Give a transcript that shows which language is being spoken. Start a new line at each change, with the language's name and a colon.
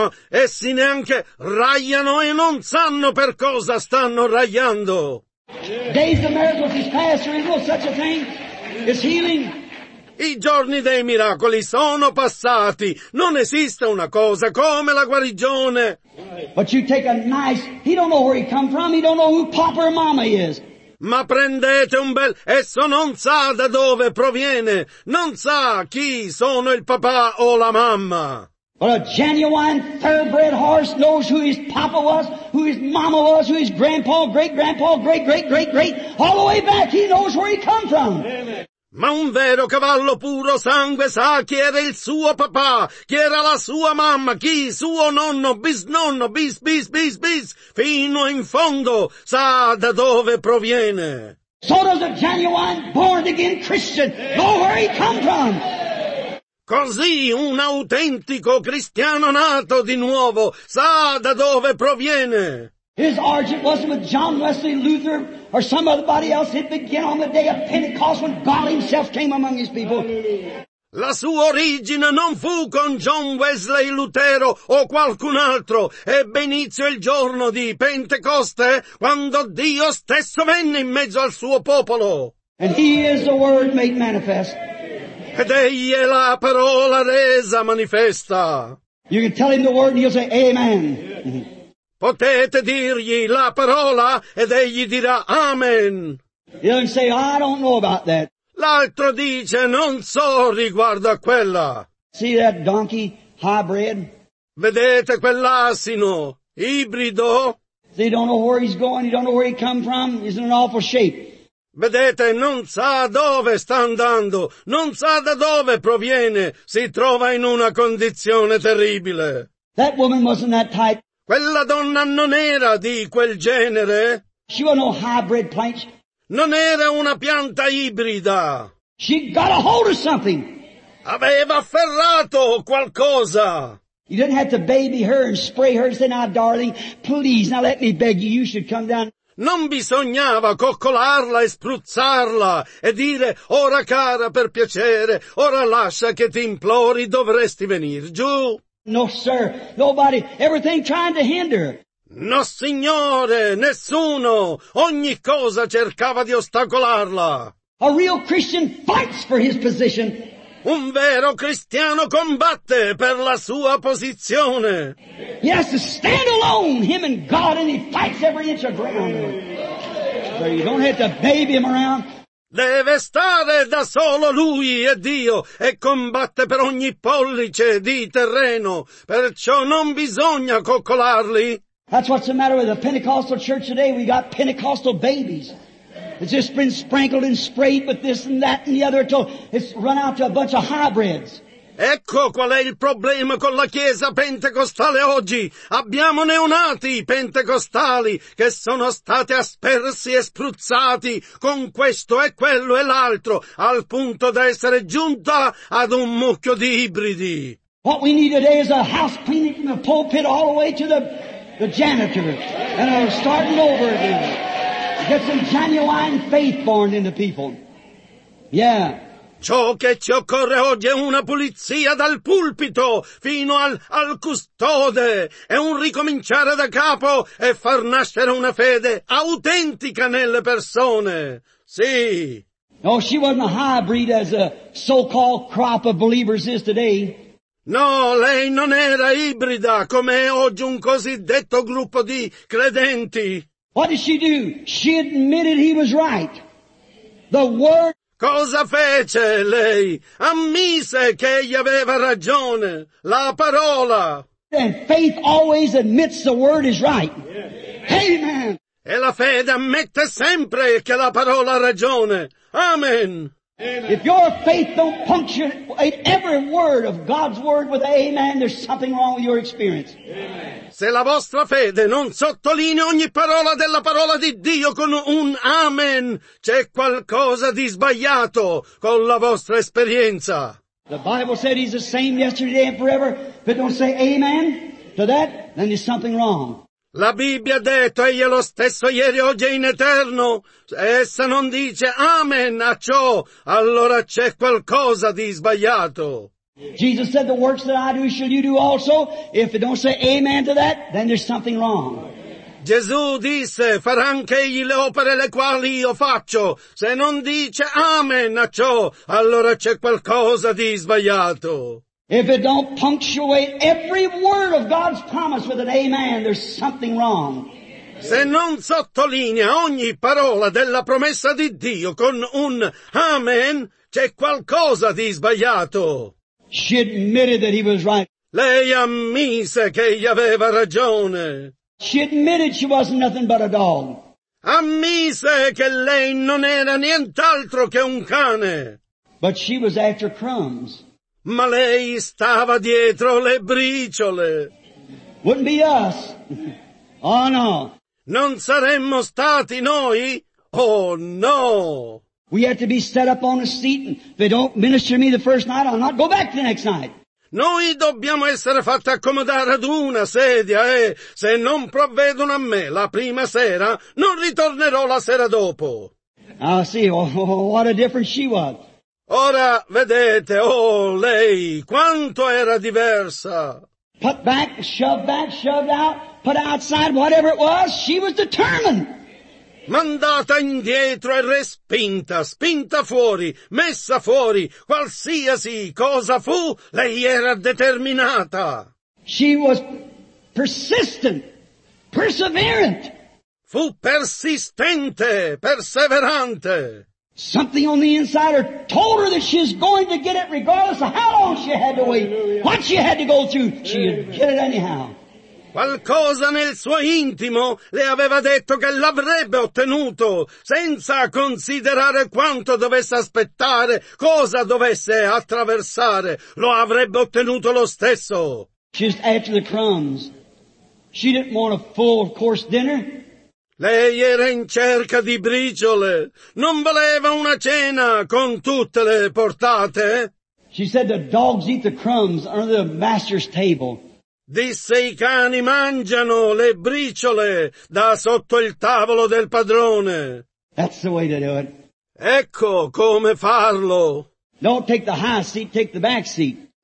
Italian: Essi neanche ragliano e non sanno per cosa stanno ragliando.
English: Days of miracles is past, there is no such a thing as healing.
Italian: I giorni dei miracoli sono passati, non esiste una cosa come la guarigione.
English: But you take a nice, he don't know where he come from, he don't know who papa or mama is.
Italian: Ma prendete un bel, esso non sa da dove proviene, non sa chi sono il papà o la mamma.
English: But a genuine thoroughbred horse knows who his papa was, who his mama was, who his grandpa, great-grandpa, great-great-great-great, all the way back he knows where he come from. Amen.
Italian: ma un vero cavallo puro sangue sa chi era il suo papà, chi era la sua mamma, chi suo nonno, bisnonno, bis bis bis bis, fino in fondo sa da dove proviene.
English: So does a genuine born again Christian know where he come from.
Italian: Così un autentico cristiano nato di nuovo sa da dove proviene.
English: His origin wasn't with John Wesley Luther or somebody else. It began on the day of Pentecost when God himself came among his people.
Italian: La sua origine non fu con John Wesley Lutero o qualcun altro. Ebbe inizio il giorno di Pentecoste quando Dio stesso venne in mezzo al suo popolo.
English: And he is the word made manifest.
Italian: Ed egli è la parola resa manifesta.
English: You can tell him the word and he'll say amen.
Italian: Potete dirgli la parola ed egli dirà amen.
English: He'll say I don't know about that.
Italian: L'altro dice non so riguardo a quella.
English: See that donkey hybrid?
Italian: Vedete quell'asino ibrido?
English: So you don't know where he's going, you don't know where he come from, he's in an awful shape.
Italian: Vedete, non sa dove sta andando, non sa da dove proviene, si trova in una condizione terribile.
English: That woman wasn't that type.
Italian: Quella donna non era di quel genere.
English: She was no hybrid plant.
Italian: Non era una pianta ibrida.
English: She got a hold of something.
Italian: Aveva afferrato qualcosa.
English: You didn't have to baby her and spray her and say, now darling, please, now let me beg you, you should come down.
Italian: Non bisognava coccolarla e spruzzarla e dire, ora cara per piacere, ora lascia che ti implori, dovresti venir giù.
English: No, sir, nobody, everything trying to hinder.
Italian: No, signore, nessuno, ogni cosa cercava di ostacolarla.
English: A real Christian fights for his position.
Italian: Un vero cristiano combatte per la sua posizione.
English: He has to stand alone, him and God, and he fights every inch of ground. So you don't have to baby him around.
Italian: Deve stare da solo lui e Dio e combatte per ogni pollice di terreno. Perciò non bisogna coccolarli.
English: That's what's the matter with the Pentecostal church today. We got Pentecostal babies. It's just been sprinkled and sprayed with this and that and the other until it's run out to a bunch of hybrids.
Italian: Ecco qual è il problema con la Chiesa Pentecostale oggi. Abbiamo neonati pentecostali che sono stati aspersi e spruzzati con questo e quello e l'altro al punto da essere giunta ad un mucchio di ibridi.
English: What we need today is a house cleaning from the pulpit all the way to the janitor and I'm starting over again. Get some genuine faith born in the people. Yeah.
Italian: Ciò che ci occorre oggi è una pulizia dal pulpito fino al custode. È un ricominciare da capo e far nascere una fede autentica nelle persone. Sì.
English: No, she wasn't a hybrid as a so-called crop of believers is today.
Italian: No, lei non era ibrida come è oggi un cosiddetto gruppo di credenti.
English: What did she do? She admitted he was right. The word.
Italian: Cosa fece lei? Ammise che egli aveva ragione. La parola.
English: And faith always admits the word is right. Yeah. Amen.
Italian: E la fede ammette sempre che la parola ha ragione. Amen.
English: If your faith don't punctuate every word of God's word with amen, there's something wrong with your experience. Amen.
Italian: Se la vostra fede non sottolinea ogni parola della parola di Dio con un amen, c'è qualcosa di sbagliato con la vostra esperienza.
English: The Bible said he's the same yesterday and forever. If it don't say amen to that, then there's something wrong.
Italian: La Bibbia ha detto, egli è lo stesso ieri, oggi e in eterno. Essa non dice amen a ciò, allora c'è qualcosa di sbagliato.
English: Jesus said, the works that I do shall you do also. If it don't say amen to that, then there's something wrong.
Italian: Gesù disse, farà anche egli le opere le quali io faccio. Se non dice amen a ciò, allora c'è qualcosa di sbagliato.
English: If it don't punctuate every word of God's promise with an amen, there's something wrong.
Italian: Se non sottolinea ogni parola della promessa di Dio con un amen, c'è qualcosa di sbagliato.
English: She admitted that he was right.
Italian: Lei ammise che egli aveva ragione.
English: She admitted she wasn't nothing but a dog.
Italian: Ammise che lei non era nient'altro che un cane.
English: But she was after crumbs.
Italian: Ma lei stava dietro le briciole.
English: Wouldn't be us. Oh no.
Italian: Non saremmo stati noi? Oh no.
English: We had to be set up on a seat, and if they don't minister to me the first night, I'll not go back the next night.
Italian: Noi dobbiamo essere fatti accomodare ad una sedia e se non provvedono a me la prima sera, non ritornerò la sera dopo. Ah, sì,
English: oh, what a difference she was.
Italian: Ora vedete, oh, lei, quanto era diversa.
English: Put back, shoved out, put outside, whatever it was, she was determined.
Italian: Mandata indietro e respinta, spinta fuori, messa fuori, qualsiasi cosa fu, lei era determinata.
English: She was persistent, perseverant.
Italian: Fu persistente, perseverante.
English: Something on the inside her told her that she was going to get it regardless of how long she had to wait, Hallelujah. What she had to go through, she would get it anyhow.
Italian: Qualcosa nel suo intimo le aveva detto che l'avrebbe ottenuto, senza considerare quanto dovesse aspettare, cosa dovesse attraversare, lo avrebbe ottenuto lo stesso.
English: Just after the crumbs. She didn't want a full course dinner.
Italian: Lei era in cerca di briciole. Non voleva una cena con tutte le portate.
English: She said the dogs eat the crumbs under the master's table.
Italian: Disse i cani mangiano le briciole da sotto il tavolo del padrone.
English: That's the way to do it.
Italian: Ecco come farlo.
English: Don't take the high seat, take the back seat.